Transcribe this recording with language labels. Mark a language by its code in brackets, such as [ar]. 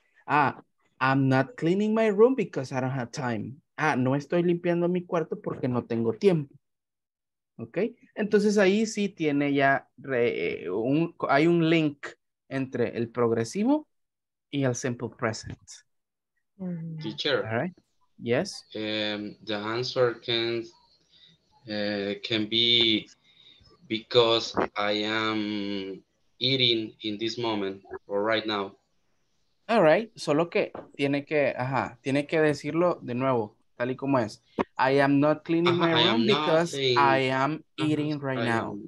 [en] Ah, I'm not cleaning my room because I don't have time. [es] Ah, no estoy limpiando mi cuarto porque no tengo tiempo. ¿Ok? Entonces ahí sí tiene ya, hay un link entre el progresivo y el simple present. [en] Teacher. All right. Yes. The answer can be because I am eating in this moment or right now. All right. [es] Solo que tiene que, ajá, tiene que decirlo de nuevo, tal y como es. [en] I am not cleaning my room because I am eating right now.